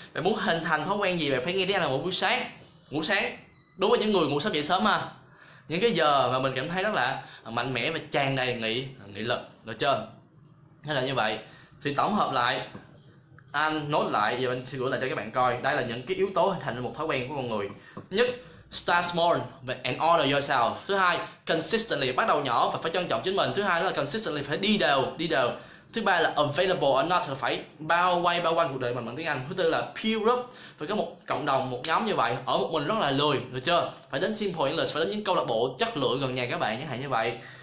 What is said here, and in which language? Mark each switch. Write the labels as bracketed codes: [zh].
[vi] Bạn muốn hình thành thói quen gì, bạn phải nghe tiếng Anh một buổi sáng. Ngủ sáng, đối với những người ngủ sớm dậy sớm ha, những cái giờ mà mình cảm thấy rất là mạnh mẽ và tràn đầy nghị lực, được chưa? Thế là như vậy. Thì tổng hợp lại, anh nốt lại và anh sẽ gửi lại cho các bạn coi, đây là những cái yếu tố hình thành một thói quen của con người. Nhất, [en] Start small and honor yourself. [vi] Thứ hai, [en] consistently, [vi] bắt đầu nhỏ và phải trân trọng chính mình. Thứ hai là consistently, phải đi đều. Thứ ba là [en] available or not, [vi] phải bao quanh cuộc đời mình bằng tiếng Anh. Thứ tư là [en] peer group, [vi] phải có một cộng đồng, một nhóm như vậy. Ở một mình rất là lười, được chưa? Phải đến [en] simple English, [vi] phải đến những câu lạc bộ chất lượng gần nhà các bạn, chẳng hạn như vậy.